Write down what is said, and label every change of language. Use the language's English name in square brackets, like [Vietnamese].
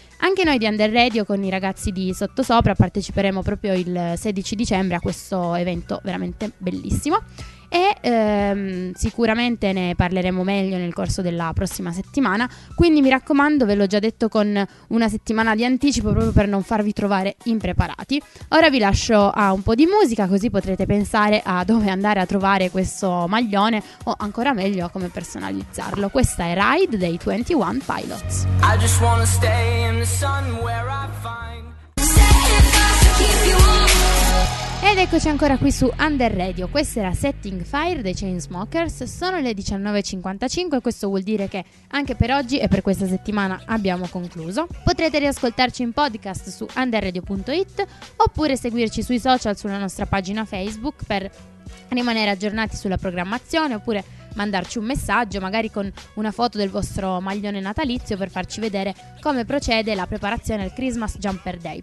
[Italian] Anche noi di Under Radio con i ragazzi di Sottosopra parteciperemo proprio il 16 dicembre a questo evento veramente bellissimo e sicuramente ne parleremo meglio nel corso della prossima settimana, quindi mi raccomando, ve l'ho già detto con una settimana di anticipo proprio per non farvi trovare impreparati. Ora vi lascio a un po' di musica, così potrete pensare a dove andare a trovare questo maglione o ancora meglio a come personalizzarlo. Questa è Ride dei 21 Pilots. [English] I just wanna stay in the sun where I find. [Italian] Ed eccoci ancora qui su Under Radio, questa era Setting Fire dei Chainsmokers, sono le 19.55 e questo vuol dire che anche per oggi e per questa settimana abbiamo concluso. Potrete riascoltarci in podcast su underradio.it oppure seguirci sui social sulla nostra pagina Facebook per rimanere aggiornati sulla programmazione oppure mandarci un messaggio, magari con una foto del vostro maglione natalizio per farci vedere come procede la preparazione al Christmas Jumper Day.